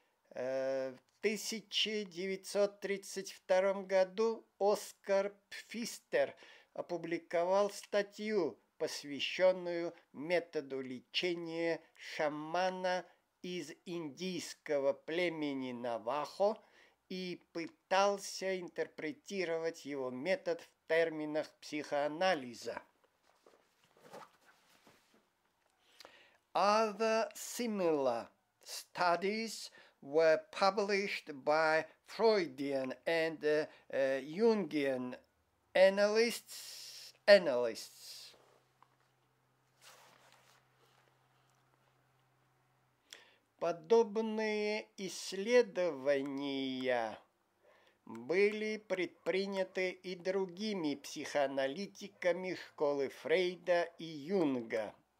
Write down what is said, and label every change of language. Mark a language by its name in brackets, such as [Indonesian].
[Russian] В 1932 году Оскар Пфистер опубликовал статью, посвященную методу лечения шамана из индийского племени Навахо и пытался интерпретировать его метод в терминах психоанализа. [English] Other similar studies were published by Freudian and Jungian analysts. [Russian] Подобные исследования были предприняты и другими психоаналитиками школы Фрейда и Юнга.